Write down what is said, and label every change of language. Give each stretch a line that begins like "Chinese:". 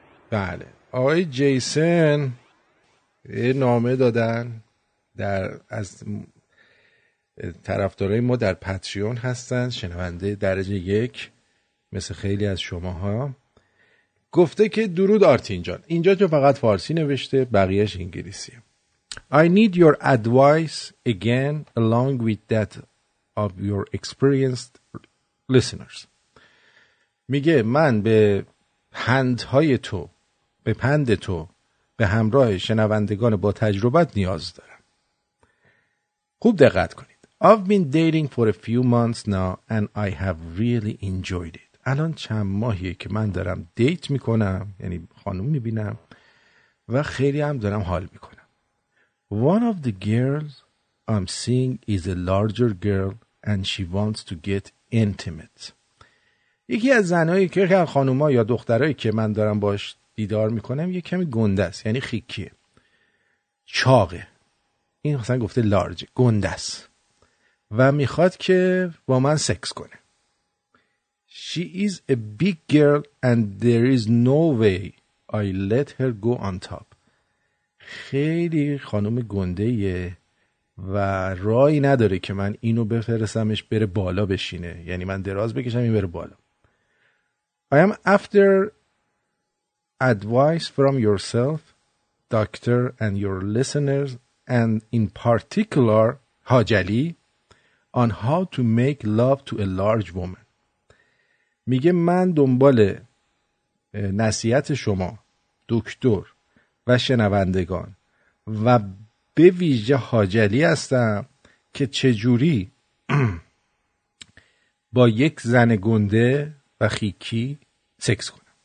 Persian: بله، آقای جیسن یه نامه دادن در از طرفدارای ما در پاتریون هستن، شنونده درجه یک مثل خیلی از شماها. گفته که درود آرتین جان، اینجا تو فقط فارسی نوشته بقیهش انگلیسیه.
English: I need your advice again along with that of your experienced listeners.
Persian: میگه من به پندهای تو، به پند تو، به همراه شنوندگان با تجربت نیاز دارم. خوب دقت کنید.
English: I've been dating for a few months now and I have really enjoyed it.
Persian: الان چند ماهیه که من دارم دیت میکنم، یعنی خانوم میبینم و خیلی هم دارم حال میکنم.
English: One of the girls I'm seeing is a larger girl and she wants to get intimate.
Persian: یکی از زنهایی که خانوما یا دخترهایی که من دارم باش دیدار میکنم یک کمی گنده است، یعنی خیکیه، چاقه. این مثلا گفته large، گنده است و میخواد که با من سکس کنه.
English: She is a big girl and there is no way I let her go on top.
Persian: خیلی خانم گنده ایه و رای نداره که من اینو بفرستمش بره بالا بشینه، یعنی من دراز بکشم این بره بالا.
English: I am after advice from yourself, doctor and your listeners and in particular حاجلی on how to make love to a large woman.
Persian: میگه من دنبال نصیحت شما دکتر و شنوندگان و به ویژه حاجلی هستم که چجوری با یک زن گنده و خیکی سکس کنم.